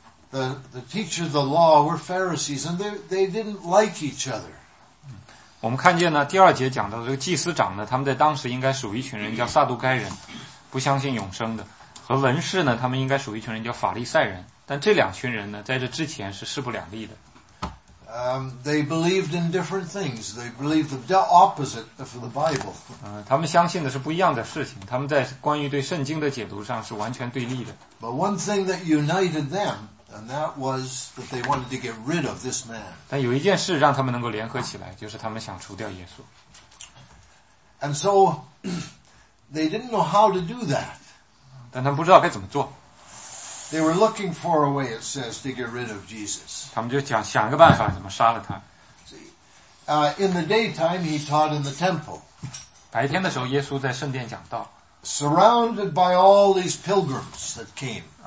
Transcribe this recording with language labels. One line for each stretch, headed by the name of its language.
English: The teachers of the law were Pharisees, and they didn't like each other.
Chinese: 我们看见呢，第二节讲到这个祭司长呢，他们在当时应该属于一群人叫撒都该人，不相信永生的；和文士呢，他们应该属于一群人叫法利赛人。但这两群人呢，在这之前是势不两立的。
English: They believed in different things. They believed the opposite of the Bible.
Chinese: 他们相信的是不一样的事情。他们在关于对圣经的解读上是完全对立的。
English: But one thing that united them, and that was that they wanted to get rid of this man.
Chinese: 但有一件事让他们能够联合起来，就是他们想除掉耶稣。
English: And so, they didn't know how to do that.
Chinese: 但他们不知道该怎么做。
English: They were looking for a way, it says, to get rid of Jesus.
Chinese: 他们就想个办法怎么杀了他。
English: See, In the daytime, he taught in the temple.
Chinese: 白天的时候，耶稣在圣殿讲道。
English: Surrounded by all these pilgrims that came.